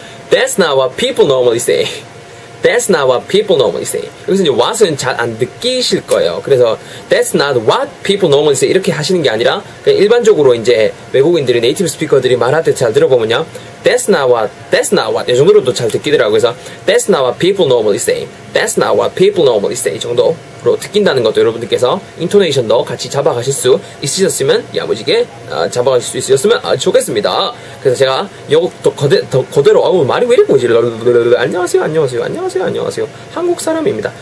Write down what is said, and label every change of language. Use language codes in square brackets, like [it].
[en] That's not what people normally say. That's not what people normally say. [ko] 여기서 이제 what은 잘 안 느끼실 거예요. 그래서 [en] that's not what people normally say [ko] 이렇게 하시는 게 아니라 그냥 일반적으로 이제 외국인들이 네이티브 스피커들이 말할 때 잘 들어보면요. [en] That's not what [ko] 이 정도로도 잘 듣기더라고요. [en] 그래서 that's not what people normally say. That's not what people normally say [ko] 정도로 듣긴다는 것도 여러분들께서 인토네이션도 같이 잡아가실 수 있으셨으면 야무지게 잡아가실 수 있으셨으면 좋겠습니다. 그래서 제가 요것도 그대로 말이 왜 이렇게 오지? 안녕하세요. 한국 사람입니다.